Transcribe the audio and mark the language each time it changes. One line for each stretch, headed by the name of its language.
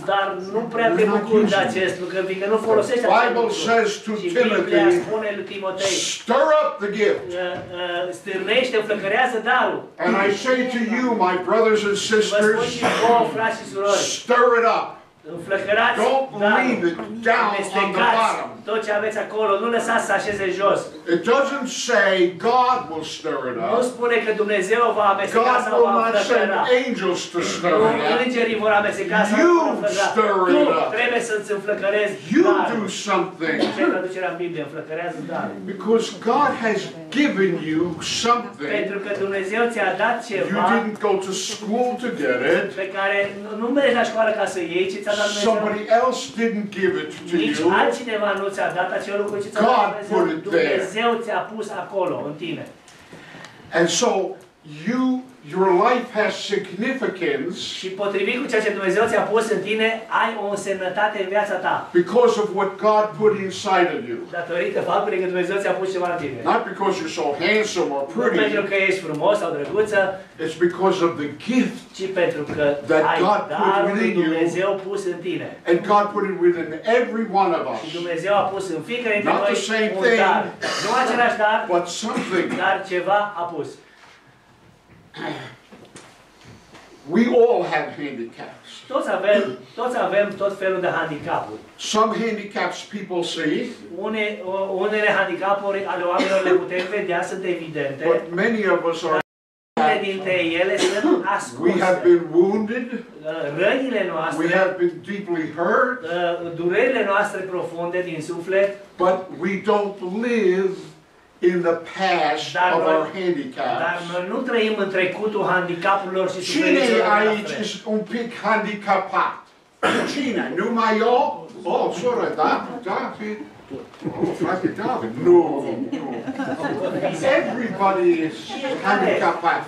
Romanian: Dar nu prea te bucuri de acest lucru, fiindcă nu folosești acest
English: lucru. Bible says to Timothy,
Romanian: spune lui Timotei,
English: stir up the gift.
Romanian: Stârnește, flăcărează darul.
English: And I say to you, my brothers and sisters,
Romanian: vă spun și vouă, frați și surori,
English: stir it up.
Romanian: Înflăcărați
English: darul. Don't leave it down on the bottom.
Romanian: Tot ce aveți acolo, nu lăsați să așeze jos.
English: It doesn't say God will stir it up.
Romanian: Nu spune că Dumnezeu va amesteca sau va înflăcăra.
English: God will not send angels to stir it up.
Romanian: Îngerii vor amesteca sau
English: you stir it up.
Romanian: Tu trebuie să-ți înflăcărezi darul.
English: You do something.
Romanian: Ce traducerea în Biblie, înflăcărează darul.
English: Because God has given you something.
Romanian: Pentru că Dumnezeu ți-a dat ceva.
English: You didn't go to school to get it.
Romanian: Pe care nu mergi la școală ca să iei, ci ți-a dat Dumnezeu.
English: Somebody else didn't give it to you.
Romanian: Nici altcineva nu ți-a dat acel lucru, ci ți-a dat Dumnezeu ți-a pus acolo în tine.
English: And so your life has significance.
Romanian: Și potrivit cu ceea ce Dumnezeu ți-a pus în tine, ai o însemnătate în viața ta.
English: Because of what God put inside of you.
Romanian: Datorită faptului că Dumnezeu ți-a pus ceva în tine.
English: Not because you're so handsome or pretty.
Romanian: Nu pentru că ești frumos sau drăguță.
English: It's because of the gift.
Romanian: Ci pentru că ai darul Dumnezeu pus în tine.
English: And God put it within every one of us.
Romanian: Și Dumnezeu a pus în fiecare dintre noi un dar.
English: Not the same thing.
Romanian: Nu același dar.
English: But something.
Romanian: Dar ceva a pus.
English: We all have handicaps.
Romanian: Toți avem tot felul de handicapuri.
English: Some handicaps people see.
Romanian: Unele handicapuri ale oamenilor le putem vedea, sunt evidente.
English: But many of us are.
Romanian: Unele dintre ele sunt ascunse.
English: We have been wounded.
Romanian: Rănile noastre.
English: We have been deeply hurt.
Romanian: Durerile noastre profunde din suflet.
English: But we don't live in the past of our handicaps.
Romanian: Dar noi nu trăim în trecutul handicapurilor și suferințelor noastre. Cine aici este un pic handicapat? Cine? Numai eu? Oh, sora, da? David. Oh, frate David. Nu.
English: Everybody is handicapat.